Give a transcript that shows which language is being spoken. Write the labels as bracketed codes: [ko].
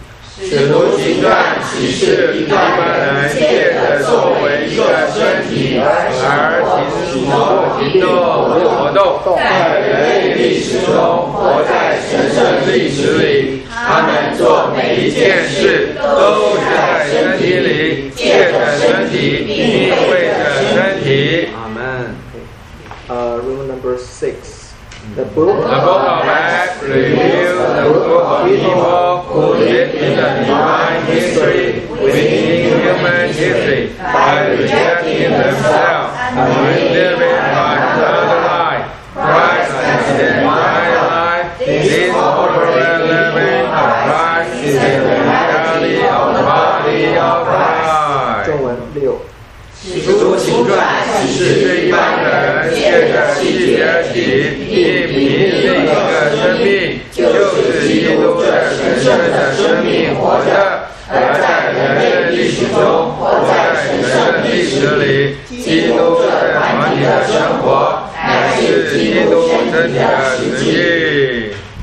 [zh] 使徒行传启示一般人借着作为一个身体而行动在人类历史中活在神圣历史里，他们做每一件事都在身体里，借着身体并为着身体。阿门。 [en] Room number six. The Book of Acts reveals the group of people who live in the divine history within human history by rejecting themselves and living by another life. Christ is the divine life. This corporate living of Christ is the reality of the body of Christ. [zh] 中文六使徒行传启示一般人借着细节体并凭另一个生命，就是基督的神圣的生命活着，而在人类历史中活在神圣历史里，基督的团体的生活乃是基督身体的实际。